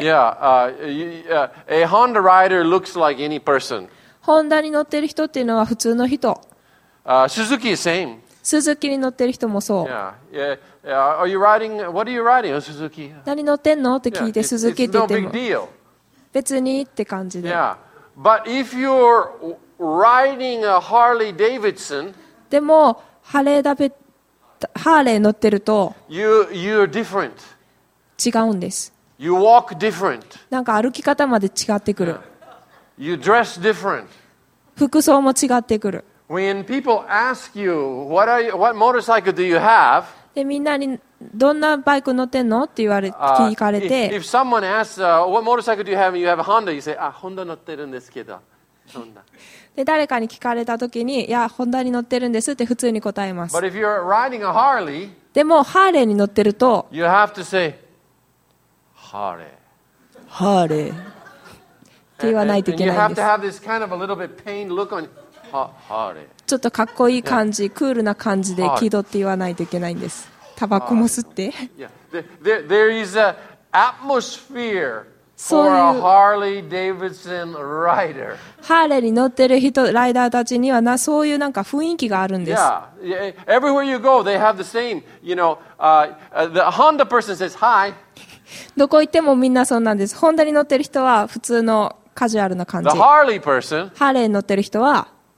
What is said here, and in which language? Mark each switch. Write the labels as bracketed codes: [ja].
[en] Yeah, a Honda rider looks like any person. [ja] ホンダに乗ってる人っていうのは普通の人。 [en] Suzuki is same. [ja] スズキに乗ってる人もそう。 [en] Yeah. Are you riding? What are you riding? スズキ。 [ja] 何乗ってんのって聞いて、スズキって言っても。 [en] It's no big deal. [ja] 別にって感じで。 [en] Yeah. But if you're riding a Harley Davidson, [ja] でもハーレー乗ってると、 [en] you're different. [ja] 違うんです。 [en] You walk different. [ja] なんか歩き方まで違ってくる。 [en] You dress different. [ja] 服装も違ってくる。 [en] When people ask you, what motorcycle do you have? [ja] で、みんなに、どんなバイク乗ってんのって聞かれて。 [en] If someone asks, what motorcycle do you have? You have a Honda. You say, [ja] あ、ホンダ乗ってるんですけど。ホンダ。で、誰かに聞かれたときに、いや、ホンダに乗ってるんですって普通に答えます。 [en] But if you're riding a Harley, [ja] でも、ハーレーに乗ってると、 [en] you have to say, ハーレー。 [ja] ハーレー。って言わないといけないんです。 [en] You have to have this kind of a little bit pained look on you. [ja] ハーレーちょっとかっこいい感じ、yeah. クールな感じで気取って言わないといけないんです。タバコも吸って、 [en] yeah. there is an atmosphere for a Harley Davidson rider. [ja] ハーレーに乗ってる人ライダーたちにはな、そういうなんか雰囲気があるんです。 [en] yeah. Everywhere you go they have the same, you know, the Honda person says hi. [ja] どこ行ってもみんなそうなんです。ホンダに乗ってる人は普通のカジュアルな感じ。 [en] The Harley person, [ja] ハーレーに乗ってる人は